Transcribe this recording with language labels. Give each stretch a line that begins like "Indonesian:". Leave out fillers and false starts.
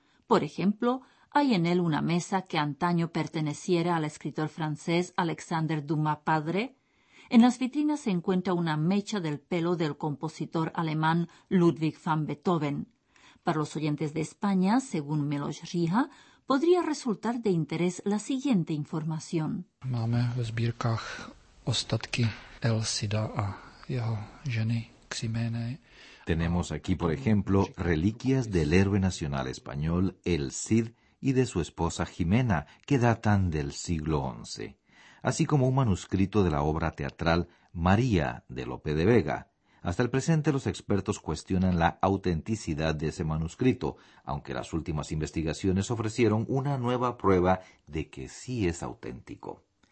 Spanish: Por ejemplo, hay en él una mesa que antaño perteneciera al escritor francés Alexandre Dumas Padre. En las vitrinas se encuentra una mecha del pelo del compositor alemán Ludwig van Beethoven. Para los oyentes de España, según Miloš Riha, podría resultar de interés la siguiente información.
Czech: Máme v zbírkách ostatky El Cida a jeho ženy Ximene.
Spanish: Tenemos aquí, por ejemplo, reliquias del héroe nacional español El Cid y de su esposa Ximena, que datan del siglo XI, así como un manuscrito de la obra teatral María de Lope de Vega. Hasta el presente, los expertos cuestionan la autenticidad de ese manuscrito, aunque las últimas investigaciones ofrecieron una nueva prueba de que sí es auténtico.